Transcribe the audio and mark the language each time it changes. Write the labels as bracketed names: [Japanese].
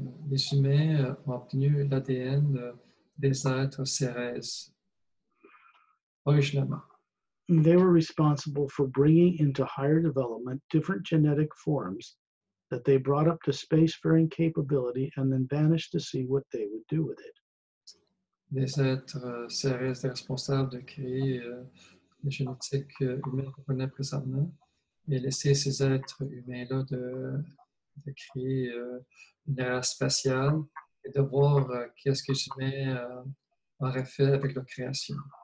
[French] Les humains ont obtenu l'ADN des êtres cérés originellement. [English] They were responsible for bringing into higher development different genetic forms that they brought up to spacefaring capability and then vanished to see what they would do with it. [French] Les êtres cérés étaient responsables de créer les génétiques humaines qu'on connaît présentement et laisser ces êtres humains-là de créer une ère spatiale et de voir qu'est-ce que les humains auraient fait avec leur création.